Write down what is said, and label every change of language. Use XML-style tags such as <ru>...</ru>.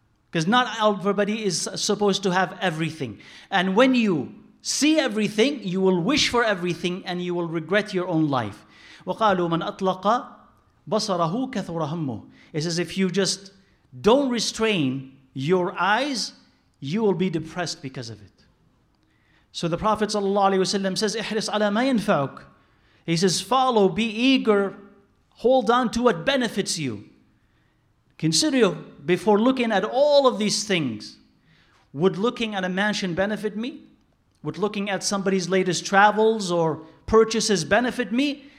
<en>Because not everybody is supposed to have everything. And when you see everything, you will wish for everything and you will regret your own life.</en> <ar>وَقَالُوا مَنْ أَطْلَقَ بَصَرَهُ كَثُرَ هَمُّهُ.</ar> <en>It says if you just don't restrain your eyes, you will be depressed because of it. So the Prophet ﷺ says,</en> <ar>إِحْرِصْ عَلَى مَا يَنْفَعُكَ.</ar> <en>He says, follow, be eager, hold on to what benefits you. Consider before looking at all of these things, Would looking at a mansion benefit me? Would looking at somebody's latest travels or purchases benefit me?</en>